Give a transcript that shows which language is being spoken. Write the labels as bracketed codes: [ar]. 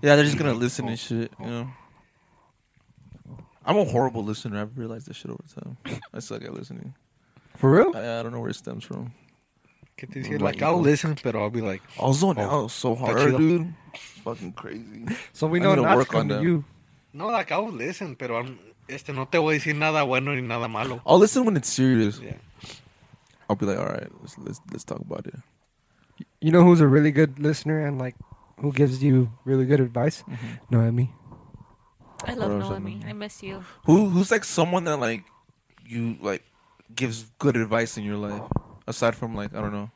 [en] Yeah, they're just gonna listen and shit, you know. I'm a horrible listener. I've realized this shit over time. I suck at listening. For real? I don't know where it stems from. Like I'll listen, but I'll be like I'll zone out so hard, dude. It's fucking crazy. So we know not work to come on to you. [es] No, [en] like I'll listen, [es] pero no te voy a decir nada bueno ni nada malo. [en] I'll listen when it's serious. Yeah. I'll be like, all right, let's talk about it. You know who's a really good listener and like who gives you really good advice? Mm-hmm. Noemi. I love Noemi. I miss you. Who's like someone that like you like gives good advice in your life aside from like I don't know